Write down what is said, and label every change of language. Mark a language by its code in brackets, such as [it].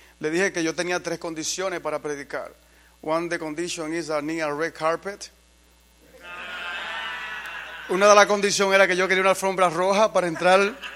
[es] Le dije que yo tenía tres condiciones para predicar. [en] One, the condition is I need a red carpet. [es] Una de las condiciones era que yo quería una alfombra roja para entrar.